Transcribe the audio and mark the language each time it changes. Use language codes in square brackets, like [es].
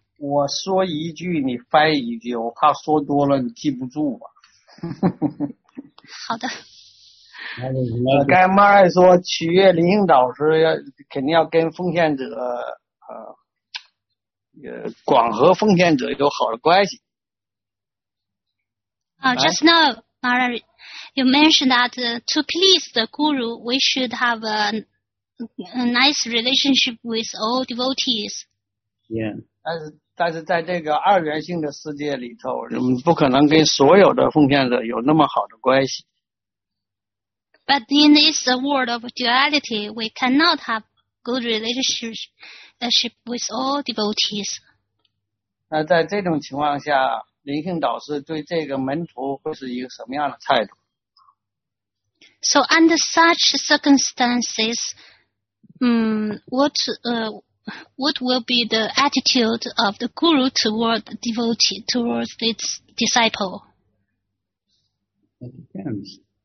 [zh] 我说一句，你翻译一句，我怕说多了你记不住吧。好的。甘马尔说七月领导是要肯定要跟奉献者广和奉献者有好的关系。 [en] Just now, Maharaj, you mentioned that to please the guru, we should have a nice relationship with all devotees. Yeah. [zh] 但是在这个二元性的世界里头，我们不可能跟所有的奉献者有那么好的关系。 [en] But in this world of duality, we cannot have good relationship with all devotees. [zh] 那在这种情况下，灵性导师对这个门徒会是一个什么样的态度？ [en] So under such circumstances, what will be the attitude of the guru toward the devotee, towards its disciple? It depends.